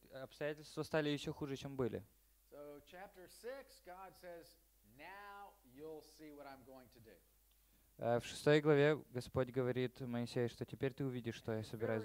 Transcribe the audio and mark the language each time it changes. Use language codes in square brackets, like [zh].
[ru] Обстоятельства стали еще хуже, чем были. [en] So, chapter 6, God says, now you'll see what I'm going to do. [ru] В 6 главе Господь говорит Моисею, что теперь ты увидишь, что я собираюсь